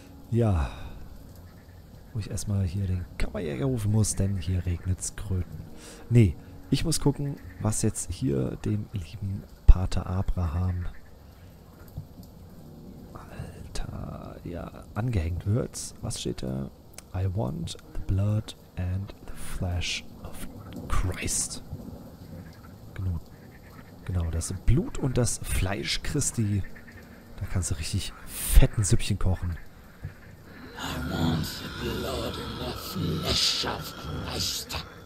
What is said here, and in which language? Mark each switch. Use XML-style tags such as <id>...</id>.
<de>Ja, wo ich erstmal hier den Kammerjäger rufen muss, denn hier regnet's Kröten. Nee, ich muss gucken, was jetzt hier dem lieben Pater Abraham, Alter, ja, angehängt wird. Was steht da?</de> <en>I want the blood and the flesh of Christ.</en> <de>Genau, das Blut und das Fleisch Christi. Da kannst du richtig fetten Süppchen kochen.</de> <en>I want the blood and the flesh of Christ.</en>